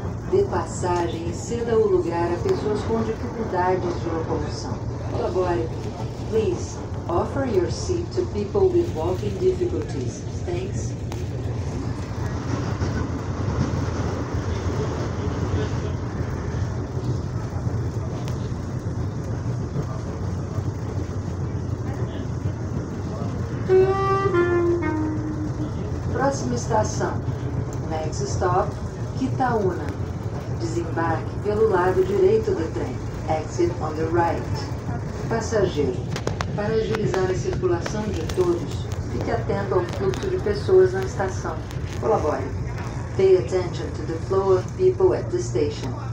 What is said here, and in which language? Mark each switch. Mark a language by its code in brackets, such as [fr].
[pt] Dê passagem e ceda o lugar a pessoas com dificuldades de locomoção. Colabore. [en] Please, offer your seat to people with walking difficulties. Thanks. [pt] Próxima estação. [en] Next stop. [pt] Itaúna. Desembarque pelo lado direito do trem. [en] Exit on the right. [pt] Passageiro, para agilizar a circulação de todos, fique atento ao fluxo de pessoas na estação. Colabore. [en] Pay attention to the flow of people at the station.